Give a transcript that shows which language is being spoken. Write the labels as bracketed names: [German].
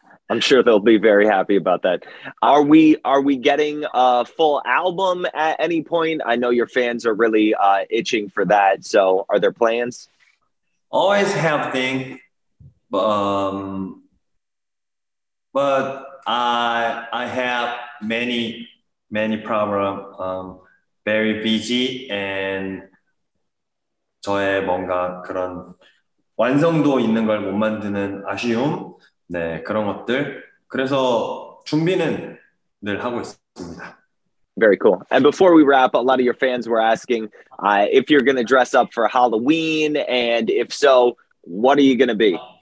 [English] I'm sure they'll be very happy about that. Are we getting a full album at any point? I know your fans are really itching for that. So are there plans? Always have things. But I have many problems. Very busy and [Korean] 저의 뭔가 그런 완성도 있는 걸 못 만드는 아쉬움, 네, 그런 것들. 그래서 준비는 늘 하고 있습니다. [English] Very cool. And before we wrap, a lot of your fans were asking if you're going to dress up for Halloween, and if so, what are you going to be?